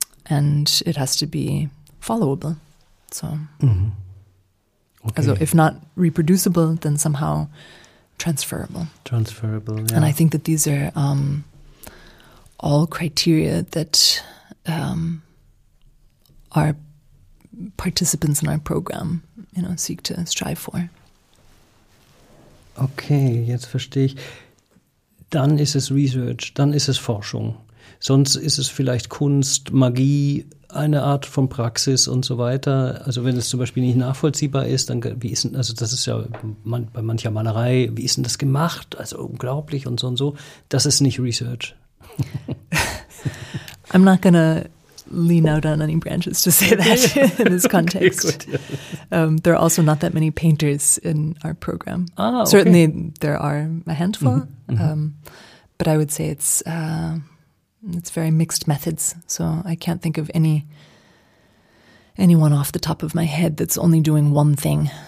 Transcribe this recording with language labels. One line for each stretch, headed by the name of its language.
English: And it has to be followable. So, also if not reproducible, then somehow transferable. Transferable, yeah. And I think that these are all criteria that our participants in our program, you know, seek to strive for.
German: Okay, jetzt verstehe ich. Dann ist es Research, dann ist es Forschung. Sonst ist es vielleicht Kunst, Magie, eine Art von Praxis und so weiter. Also wenn es zum Beispiel nicht nachvollziehbar ist, dann wie ist denn, also das ist ja bei mancher Malerei, wie ist denn das gemacht? Also unglaublich und so, das ist nicht Research.
English: I'm not gonna lean out on any branches to say that in this context.
German: Okay, gut, ja.
English: There are also not that many painters in our program. Ah, okay. Certainly there are a handful, but I would say it's very mixed methods, so I can't think of anyone off the top of my head that's only doing one thing.